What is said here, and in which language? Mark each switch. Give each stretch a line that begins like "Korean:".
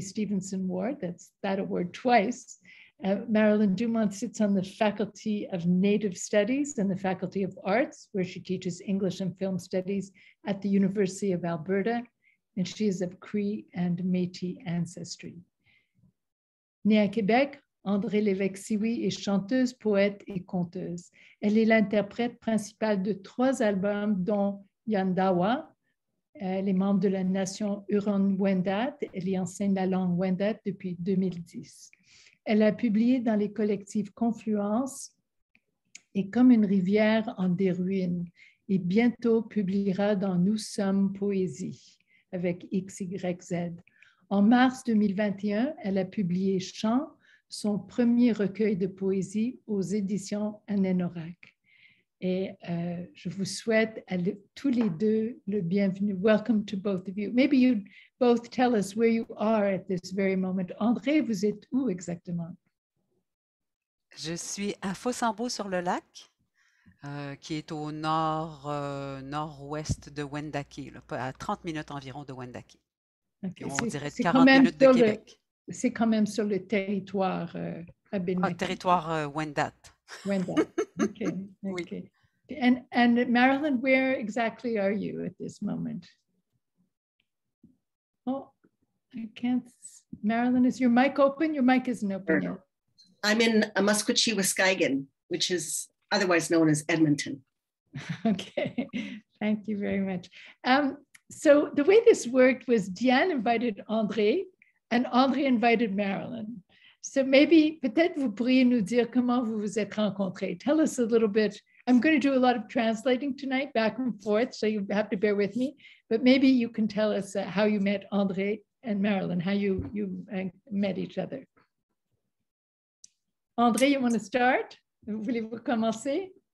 English: Stephansson Award, that's that award twice. Marilyn Dumont sits on the Faculty of Native Studies and the Faculty of Arts, where she teaches English and Film Studies at the University of Alberta, and she is of Cree and Métis ancestry.
French: Née à Québec, Andrée Lévesque Sioui est chanteuse, poète et conteuse. Elle est l'interprète principale de trois albums, dont Yahndawa. Elle est membre de la Nation Huronne-Wendat. Elle y enseigne la langue Wendat depuis 2010. Elle a publié dans les collectifs Confluence et Comme une rivière en dérouine et bientôt publiera dans Nous sommes poésie. Avec XYZ. En mars 2021, elle a publié Chant, son premier recueil de poésie aux éditions Hannenorak. Et je vous souhaite à tous les deux le bienvenu.
English: Welcome to both of you. Maybe you both tell us where you are at this very moment.
French: Andrée, vous êtes où exactement? Je suis à Fossambeau-sur-le-Lac. Qui est au nord-ouest de Wendake, à 30 minutes environ de Wendake. Okay, on dirait 40 minutes de Québec. C'est quand même sur le territoire Abenaki. Territoire Wendat. Wendat, okay. Okay. Oui.
English: And Marilyn, where exactly are you at this moment? Oh, I can't... Marilyn, is your mic open? Your mic isn't open yet. I'm in Amaskwichi, Wiskaigan, which is... otherwise known as Edmonton. Okay, thank you very much. So the way this worked was Diane invited Andrée and Andrée invited Marilyn. So maybe,
French: peut-être vous pourriez nous dire comment vous vous êtes rencontrés.
English: Tell us a little bit I'm going to do a lot of translating tonight, back and forth, so you have to bear with me. But maybe you can tell us how you met Andrée and Marilyn, how you met each other. Andrée, you want to start?
French: Voulez-vous commencer?